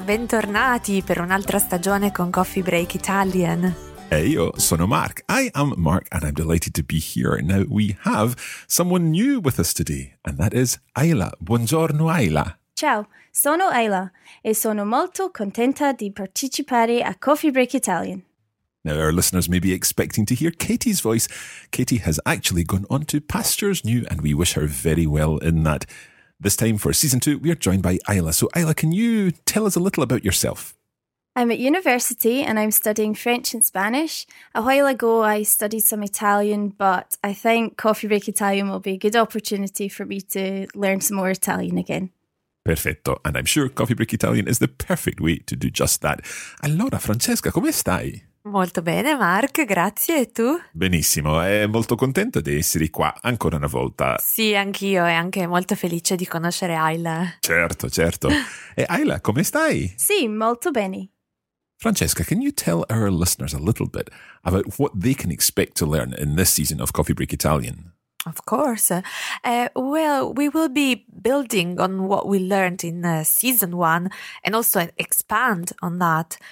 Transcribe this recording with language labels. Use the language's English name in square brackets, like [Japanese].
[Italian] Bentornati per un'altra stagione con Coffee Break Italian. E io sono Mark. [English] I am Mark and I'm delighted to be here. Now we have someone new with us today and that is Ayla. [Italian] Buongiorno Ayla. Ciao, sono Ayla e sono molto contenta di partecipare a Coffee Break Italian. [English] Now, our listeners may be expecting to hear Katie's voice. Katie has actually gone on to pastures new, and we wish her very well in that. This time for season two, we are joined by Ayla. So, Ayla, can you tell us a little about yourself? I'm at university and I'm studying French and Spanish. A while ago, I studied some Italian, but I think Coffee Break Italian will be a good opportunity for me to learn some more Italian again. [Italian] Perfetto. [English] And I'm sure Coffee Break Italian is the perfect way to do just that. [Italian] Allora, Francesca, come stai? Molto bene, Mark, grazie. E tu? Benissimo, è molto contento di essere qua ancora una volta. Sì, anch'io e anche molto felice di conoscere Ayla. Certo, certo. E Ayla, come stai? Sì, molto bene. [English] Francesca, can you tell our listeners a little bit about what they can expect to learn in this season of Coffee Break Italian? Of course. Well, we will be building on what we learned in season one and also expand on that.